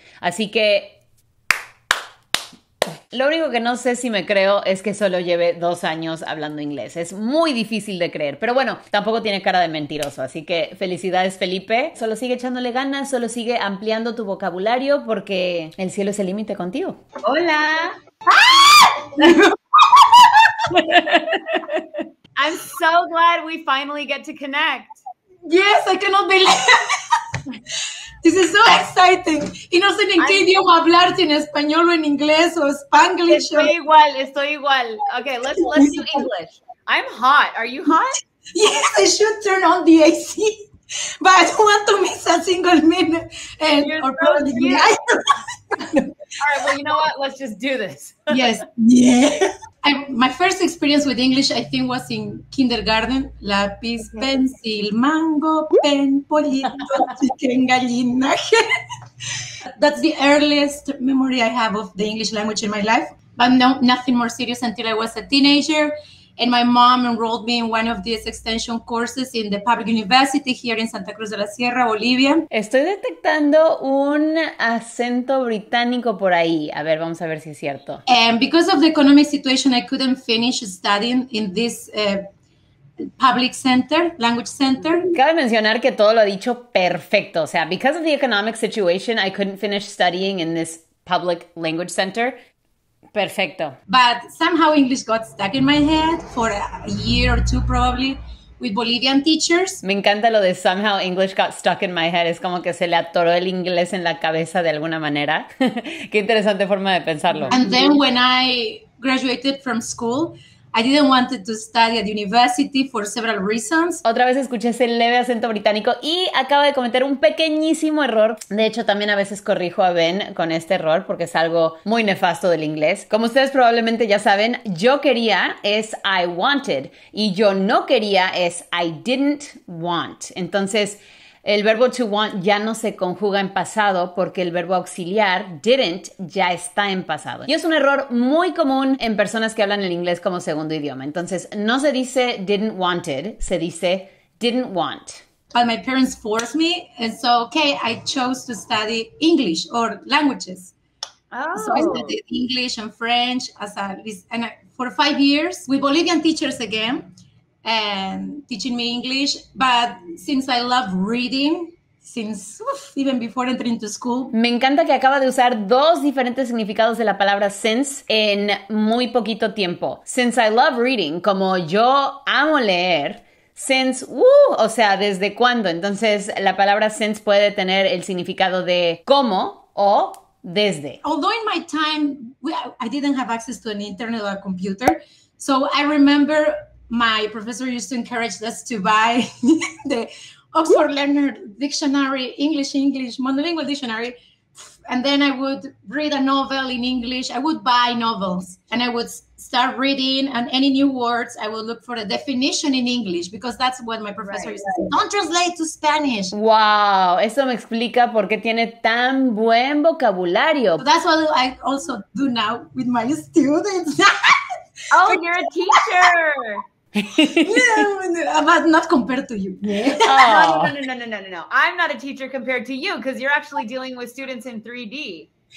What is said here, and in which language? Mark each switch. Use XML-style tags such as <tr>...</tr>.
<es>Así que lo único que no sé si me creo es que solo lleve 2 años hablando inglés. Es muy difícil de creer, pero bueno, tampoco tiene cara de mentiroso. Así que felicidades, Felipe. Solo sigue echándole ganas, solo sigue ampliando tu vocabulario porque el cielo es el límite contigo. ¡Hola!</es> <en>I'm so glad we finally get to connect. Yes, I cannot believe. This is so exciting.</en> <es>Y no sé ni en qué idioma hablarte, en español o en inglés o Spanglish. Estoy igual.</es> <en>Okay, let's do English. I'm hot. Are you hot? Yes, I should turn on the AC. But I don't want to miss a single minute. And you're so cute. All right, well, you know what? Let's just do this. Yes. Yeah. My first experience with English, I think, was in kindergarten.</en> <es>Lápiz,</es> <en>pencil,</en> <es>mango,</es> <en>pen,</en> <es>pollito,</es> <en>chicken,</en> <es>gallina.</es> <en>That's the earliest memory I have of the English language in my life. But no, nothing more serious until I was a teenager. And my mom enrolled me in one of these extension courses in the public university here in Santa Cruz de la Sierra, Bolivia.</en> <es>Estoy detectando un acento británico por ahí. A ver, vamos a ver si es cierto.</es> <en>And because of the economic situation, I couldn't finish studying in this public center, language center.</en> <es>Cabe mencionar que todo lo ha dicho perfecto.</es> <en>O sea, because of the economic situation, I couldn't finish studying in this public language center.</en> <es>Perfecto.</es> <en>But somehow English got stuck in my head for a year or two probably with Bolivian teachers.</en> <es>Me encanta lo de</es> <en>somehow English got stuck in my head.</en> <es>Es como que se le atoró el inglés en la cabeza de alguna manera. Qué interesante forma de pensarlo.</es> <en>And then when I graduated from school, I didn't want to study at university for several reasons.</en> <es>Otra vez escuché ese leve acento británico y acabo de cometer un pequeñísimo error. De hecho, también a veces corrijo a Ben con este error porque es algo muy nefasto del inglés. Como ustedes probablemente ya saben, yo quería es</es> <en>I wanted</en> <es>y yo no quería es</es> <en>I didn't want.</en> <es>Entonces, el verbo to want ya no se conjuga en pasado porque el verbo auxiliar, didn't, ya está en pasado. Y es un error muy común en personas que hablan el inglés como segundo idioma. Entonces, no se dice didn't wanted, se dice didn't want.</es> <en>But my parents forced me, and so, okay, I chose to study English or languages. Oh. So I studied English and French for 5 years with Bolivian teachers again. And teaching me English, but since I love reading, even before entering to school.</en> <es>Me encanta que acaba de usar dos diferentes significados de la palabra since en muy poquito tiempo.</es> <en>Since I love reading,</en> <es>como yo amo leer, since, desde cuándo. Entonces, la palabra since puede tener el significado de cómo o desde.</es> <en>Although in my time, I didn't have access to an internet or a computer, so I remember my professor used to encourage us to buy the Oxford Learner Dictionary, English, monolingual dictionary. And then I would read a novel in English. I would buy novels and I would start reading, and any new words, I would look for a definition in English because that's what my professor used to say. Don't translate to Spanish.</en> <es>Wow, eso me explica por qué tiene tan buen vocabulario.</es> <en>So that's what I also do now with my students. Oh, you're a teacher. No, not compared to you. Oh. No. I'm not a teacher compared to you because you're actually dealing with students in 3D.</en>